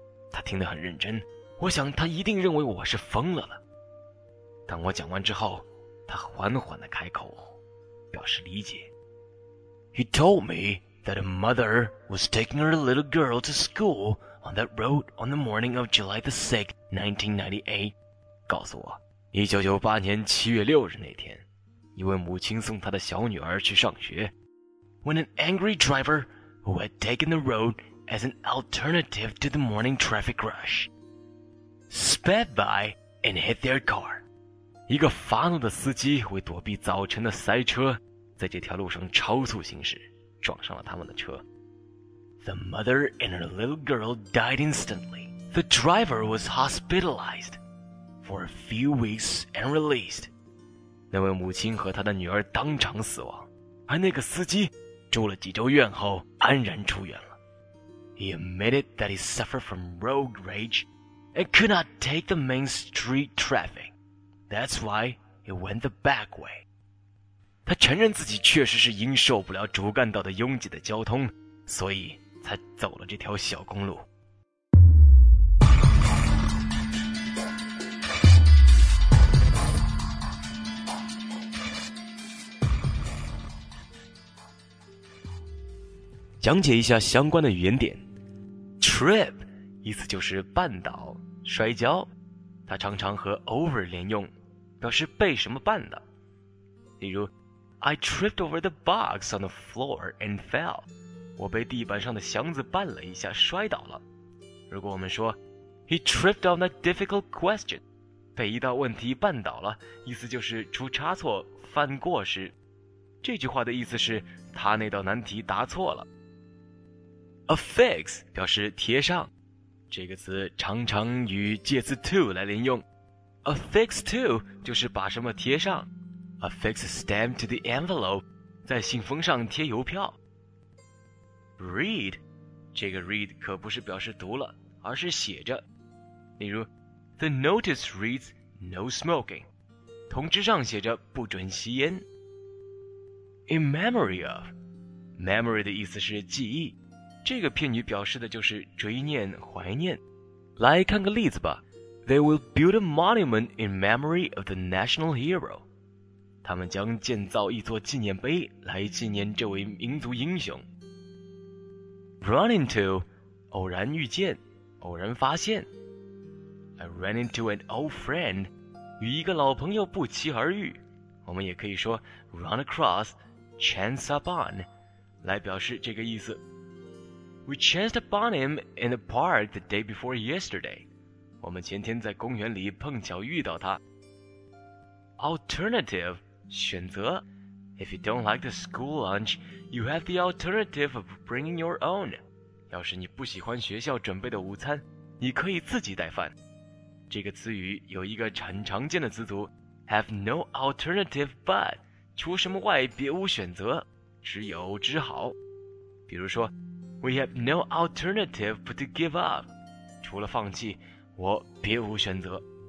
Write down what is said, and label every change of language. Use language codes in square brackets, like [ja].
[zh] 他听得很认真，我想他一定认为我是疯了的。当我讲完之后，他缓缓地开口，表示理解。 [en] He told me,that a mother was taking her little girl to school on that road on the morning of July the 6th, 1998. [zh] 告诉我，1998年7月6日那天，一位母亲送她的小女儿去上学。 [en] When an angry driver who had taken the road as an alternative to the morning traffic rush sped by and hit their car. [zh] 一个发怒的司机为躲避早晨的塞车，在这条路上超速行驶。撞上了他们的车。 [en] The mother and her little girl died instantly. The driver was hospitalized for a few weeks and released. [zh] 那位母亲和她的女儿当场死亡，而那个司机住了几周院后安然出院了。 [en] He admitted that he suffered from road rage and could not take the main street traffic. That's why he went the back way. [zh] 他承认自己确实是因受不了主干道的拥挤的交通，所以才走了这条小公路。讲解一下相关的语言点。 [en] Trip [zh] 意思就是绊倒、摔跤，它常常和 over 连用，表示被什么绊的。例如 [en] I tripped over the box on the floor and fell. [zh] 我被地板上的箱子绊了一下摔倒了。如果我们说 [en] He tripped on a difficult question. [zh] 被一道问题绊倒了，意思就是出差错、犯过失。这句话的意思是他那道难题答错了。 [en] A fix [zh] 表示贴上，这个词常常与介词 to 来连用。 [en] A fix to [zh] 就是把什么贴上。 [en] Affix a stamp to the envelope, [zh] 在信封上贴邮票。 [en] Read, [zh] 这个 read 可不是表示读了，而是写着。例如 [en] The notice reads, no smoking. [zh] 通知上写着不准吸烟。 [en] In memory of, [zh] memory 的意思是记忆，这个片语表示的就是追念、怀念。来看个例子吧。 [en] They will build a monument in memory of the national hero. [zh] 他们将建造一座纪念碑来纪念这位民族英雄。 [en] Run into, [zh] 偶然遇见，偶然发现。 [en] I ran into an old friend, [zh] 与一个老朋友不期而遇。我们也可以说 [en] run across, chance upon, [zh] 来表示这个意思。 [en] We chanced upon him in the park the day before yesterday. [zh] 我们前天在公园里碰巧遇到他。 [en] Alternative, [zh] 选择 [en] If you don't like the school lunch, you have the alternative of bringing your own. [zh] 要是你不喜欢学校准备的午餐，你可以自己带饭。这个词语有一个很常见的词组 [en] have no alternative but， [zh] 除什么外别无选择，只有只好。比如说 [en] We have no alternative but to give up， [zh] 除了放弃，我别无选择。